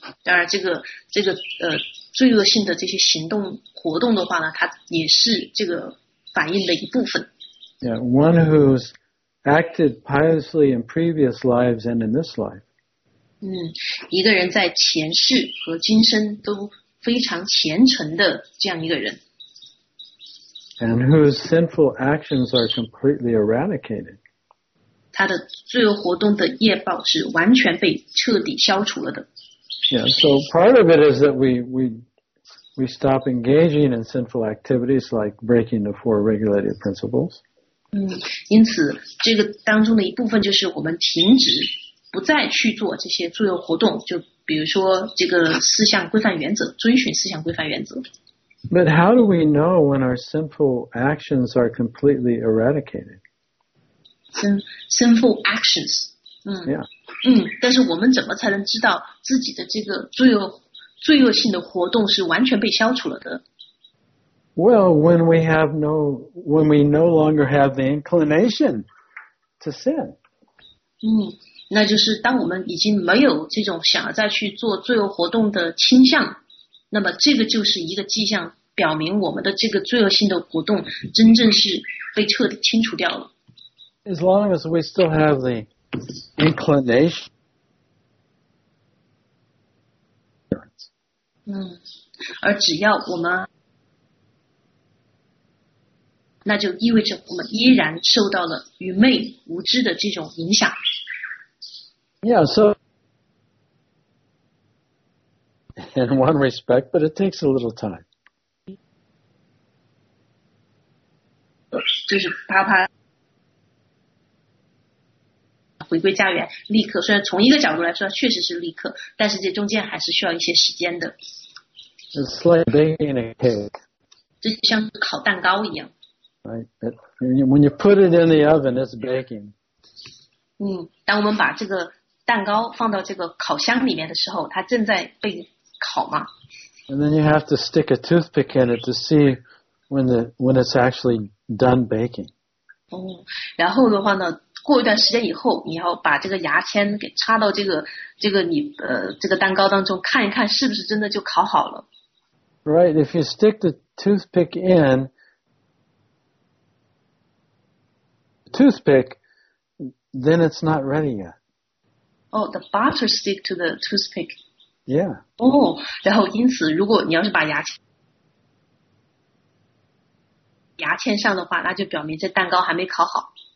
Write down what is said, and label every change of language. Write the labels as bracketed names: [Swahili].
[Chinese] 当然这个罪恶性的这些行动活动的话呢，它也是这个反应的一部分。 [English] Yeah, one who's acted piously in previous lives and in this life. [Chinese] 一个人在前世和今生都非常虔诚的这样一个人。 [English] And whose sinful actions are completely eradicated. [Chinese] 他的罪恶活动的业报是完全被彻底消除了的。 [English] Yeah, so part of it is that we stop engaging in sinful activities like breaking the four regulative principles. [Chinese] 因此这个当中的一部分就是我们停止不再去做这些罪恶活动，就比如说这个四项规范原则，遵循四项规范原则。 [English] But how do we know when our sinful actions are completely eradicated? Sinful actions. Yeah. [Chinese] 但是我们怎么才能知道自己的这个罪恶性的活动是完全被消除了的？ [English] Well, when we no longer have the inclination to sin. [Chinese] 那就是当我们已经没有这种想要再去做罪恶活动的倾向，那么这个就是一个迹象，表明我们的这个罪恶性的活动真正是被彻底清除掉了。 [English] As long as we still have the inclination. [Chinese] 而只要我们，那就意味着我们依然受到了愚昧无知的这种影响。 [English] Yeah, so in one respect, but it takes a little time. [Chinese] 就是啪啪。回归家园，立刻。虽然从一个角度来说，确实是立刻，但是这中间还是需要一些时间的。 [English] It's like baking a cake. [Chinese] 这就像烤蛋糕一样。 [English] Right. When you put it in the oven, it's baking. [Chinese] 当我们把这个蛋糕放到这个烤箱里面的时候，它正在被烤嘛。 [English] And then you have to stick a toothpick in it to see when it's actually done baking. [Chinese] 然后的话呢？过一段时间以后，你要把这个牙签给插到这个蛋糕当中，看一看是不是真的就烤好了。 [English] Right, if you stick the toothpick in, toothpick, then it's not ready yet. Oh, the butter stick to the toothpick. Yeah. [Chinese] 然后因此，如果你要是把牙签上的话，那就表明这蛋糕还没烤好。